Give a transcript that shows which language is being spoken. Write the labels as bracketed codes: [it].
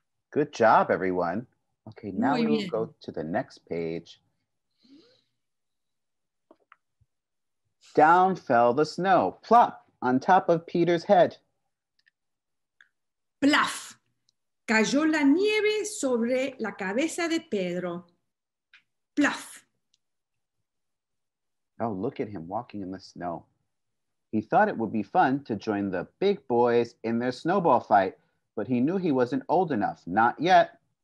[en] Good job, everyone. Okay, now we will go to the next page. Down fell the snow, plop, on top of Peter's head. [es] Plaf. Cayó la nieve sobre la cabeza de Pedro. Plaf. [en] Oh, look at him walking in the snow. He thought it would be fun to join the big boys in their snowball fight, but he knew he wasn't old enough, not yet.